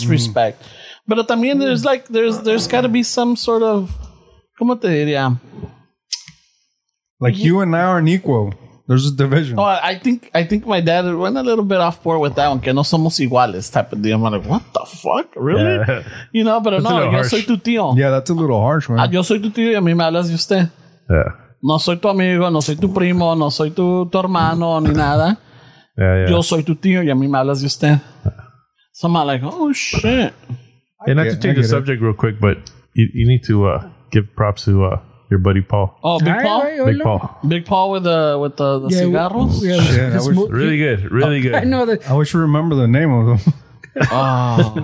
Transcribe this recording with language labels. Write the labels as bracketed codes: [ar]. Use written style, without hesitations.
[en] Yeah, it's respect. But I mean, there's got to be some sort of, [es] ¿cómo te diría? [en] Like you and I aren't equal. There's a division. Oh, I think my dad went a little bit off board with that one. [es] Que no somos iguales [en] type of deal. I'm like, what the fuck? Really? Yeah. You know, but no, [es] yo soy tu tío. [en] Yeah, that's a little harsh, man. [es] Yo soy tu tío y a mí me hablas de usted. [en] Yeah. [es] No soy tu amigo, no soy tu primo, no soy tu hermano, ni nada. [en] Yeah. [es] Yo soy tu tío y a mí me hablas de usted. [en] So I'm like, oh, shit. And not to change the subject real quick, but you need to give props to your buddy Paul. Oh, Big Paul? Big Paul. Big Paul with the cigarros? Really good. Really good. I know that. I wish you remember the name of them.